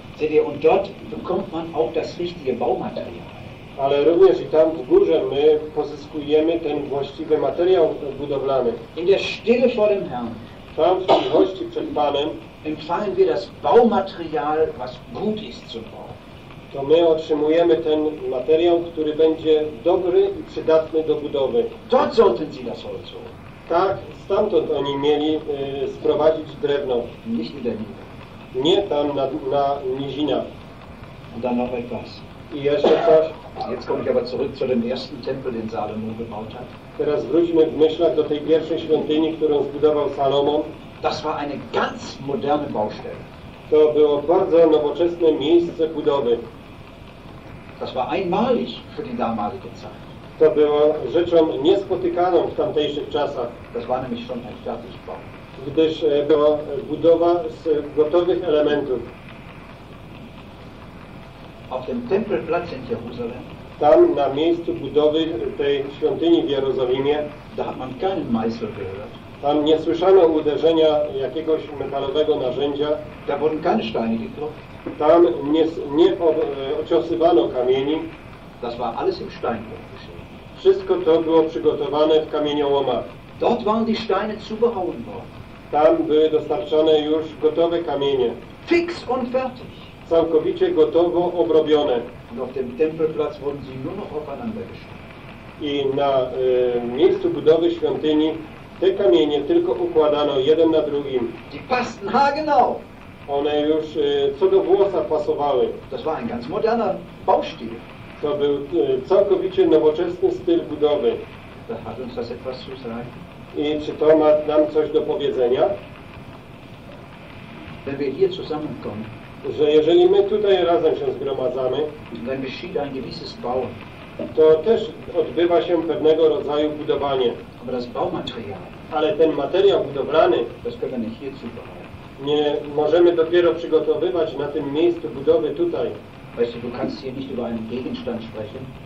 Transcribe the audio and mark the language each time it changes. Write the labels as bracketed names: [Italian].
[German] Seht ihr, und dort bekommt man auch das richtige Baumaterial. [Polish] Ale również i tam w górze my pozyskujemy ten właściwy materiał budowlany. [German] In der Stille vor dem Herrn. [Polish] Tam w cichości przed Panem. [German] Empfangen wir das Baumaterial, was gut ist zum Bau. [Polish] To my otrzymujemy ten materiał, który będzie dobry i przydatny do budowy. [German] Dort sollten Sie das Holz holen. [Polish] Tak, stamtąd oni mieli sprowadzić drewno. [German] Nicht in der Nähe. [Polish] Nie tam na nizinach. [German] Und dann noch etwas. [Polish] I jeszcze coś. [German] Jetzt komme ich aber zurück zu dem ersten Tempel, den Salomo gebaut hat. [Polish] Teraz wróćmy w myślach do tej pierwszej świątyni, którą zbudował Salomon. [German] Das war eine ganz moderne Baustelle. [Polish] To było bardzo nowoczesne miejsce budowy. [German] Das war einmalig für die damalige Zeit. [Polish] To było rzeczą niespotykaną w tamtejszych czasach. [German] Das war nämlich schon ein fertig Bau. [Polish] Gdyż była budowa z gotowych elementów. [German] Auf dem Tempelplatz in Jerusalem. [Polish] Tam na miejscu budowy tej świątyni w Jerozolimie. [German] Da hat man keinen Meißel gehört. [Polish] Tam nie słyszano uderzenia jakiegoś metalowego narzędzia. [German] Da wurden keine Steine geklopft. [Polish] Tam nie ociosywano kamieni. [German] Das war alles im Steinbruch. [Polish] Wszystko to było przygotowane w kamieniołomach. [German] Dort waren die Steine zubehauen worden. [Polish] Tam były dostarczone już gotowe kamienie. [German] Fix und fertig. [Polish] Całkowicie gotowo obrobione. [German] Und auf dem Tempelplatz wurden sie nur noch aufeinander gestellt. [Polish] I na miejscu budowy świątyni te kamienie tylko układano jeden na drugim. [German] Die passten haargenau. [Polish] One już co do włosa pasowały. [German] Das war ein ganz moderner Baustil. [Polish] To był całkowicie nowoczesny styl budowy. [German] Da hat uns das etwas zu sagen. [Polish] I czy to ma nam coś do powiedzenia? [German] Wenn wir hier zusammenkommen, [Polish] że jeżeli my tutaj razem się zgromadzamy, [German] wenn wir schieden ein gewisses bauen, [Polish] to też odbywa się pewnego rodzaju budowanie. [German] Aber das Baumaterial, [Polish] ale ten materiał budowlany, [German] das können wir hier zubauen, [Polish] nie możemy dopiero przygotowywać na tym miejscu budowy tutaj. [German] Weißt du, du kannst hier nicht über einen Gegenstand sprechen.